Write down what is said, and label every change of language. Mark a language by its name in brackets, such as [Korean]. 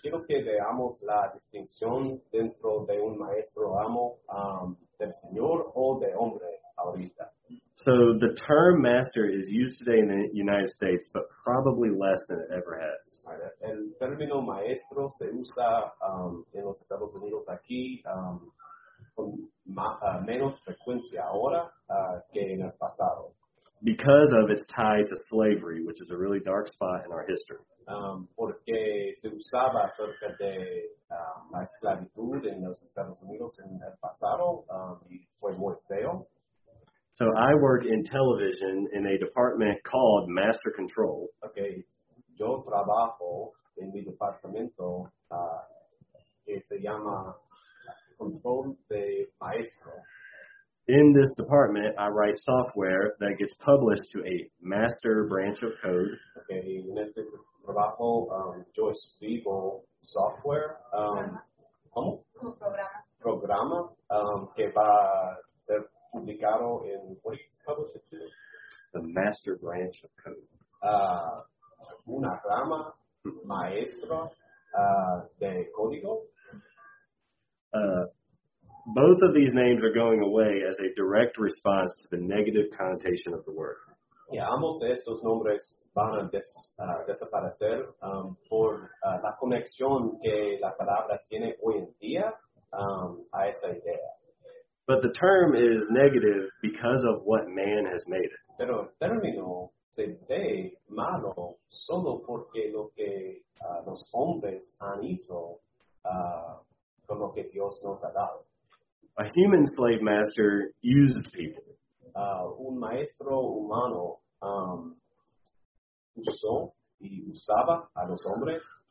[Spanish] Quiero que veamos la distinción dentro de un maestro amo del señor o de hombre ahorita. [English] So the term master is used today in the United States, but probably less than it ever has. [Spanish] El término maestro se usa en los Estados Unidos aquí con menos frecuencia ahora que en el pasado. [English] Because of its tie to slavery, which is a really dark spot in our history. [Spanish] Porque se usaba acerca de la esclavitud en los Estados Unidos en el pasado y fue muy feo. [English] So I work in television in a department called Master Control. [Spanish] Okay, yo trabajo en mi departamento que se llama Control de Maestro. [English] In this department, I write software that gets published to a master branch of code. [Spanish] Okay, en este trabajo, yo escribo software. ¿Cómo? Programa. Que va a ser publicado en, [English] what do you publish it to? The master branch of code. [Spanish] Una rama maestra de código. [English] Both of these names are going away as a direct response to the negative connotation of the word. [Spanish] Yeah, ambos estos nombres van a desaparecer por la conexión que la palabra tiene hoy en día a esa idea. [English] But the term is negative because of what man has made it. [Spanish] Pero el término se ve malo solo porque lo que los hombres han hizo con lo que Dios nos ha dado. [English] A human slave master used people. [Spanish] Un maestro humano usó y usaba a los hombres.